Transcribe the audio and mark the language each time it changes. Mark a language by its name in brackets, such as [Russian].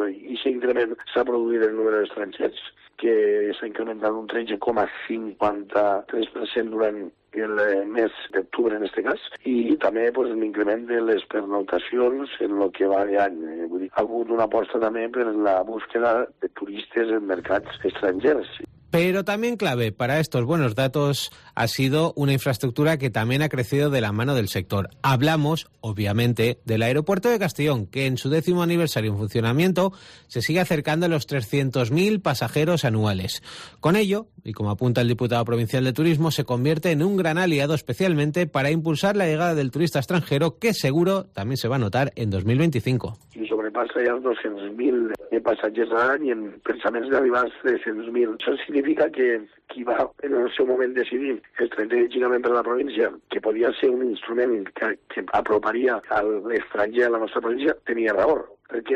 [Catalan] I si increment s'ha produït el número d'estrangers, que s'ha incrementat un 13,53% durant el mes d'octubre, en este cas, i també pues, l'increment de les pernoctacions en el que va d'any. Vull dir, ha hagut una aposta també per la búsqueda de turistes en mercats estrangers. [Spanish] Pero también clave para estos buenos datos ha sido una infraestructura que también ha crecido de la mano del sector. Hablamos, obviamente, del aeropuerto de Castellón, que en su 10º aniversario en funcionamiento se sigue acercando a los 300.000 pasajeros anuales. Con ello, y como apunta el diputado provincial de Turismo, se convierte en un gran aliado especialmente para impulsar la llegada del turista extranjero, que seguro también se va a notar en 2025. [Catalan] Passa ja els 200.000 de passatgers a l'any i en pensaments d'arribar als 300.000. Això significa que qui va en el seu moment decidir estratègicament per la província, que podia ser un instrument que aproparia a l'estranger a la nostra província, tenia raó. Per què?